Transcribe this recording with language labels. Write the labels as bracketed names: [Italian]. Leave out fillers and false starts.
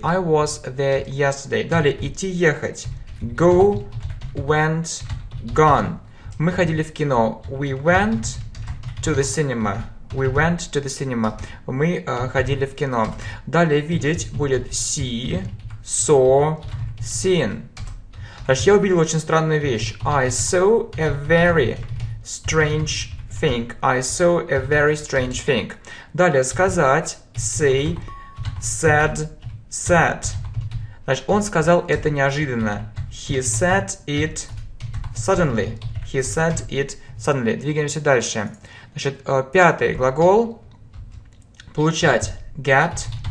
[English] I was there yesterday. [Russian] Далее, идти, ехать. [English] Go, went, gone. [Russian] Мы ходили в кино. [English] We went to the cinema. We went to the cinema. [Russian] Мы ходили в кино. Далее, видеть будет [English] see, saw, seen. [Russian] Значит, я увидел очень странную вещь. [English] I saw a very strange thing. I saw a very strange thing. [Russian] Далее, сказать. [English] Say, said, said. [Russian] Значит, он сказал это неожиданно. [English] He said it suddenly. He said it suddenly. [Russian] Двигаемся дальше. Значит, пятый глагол. Получать. Get.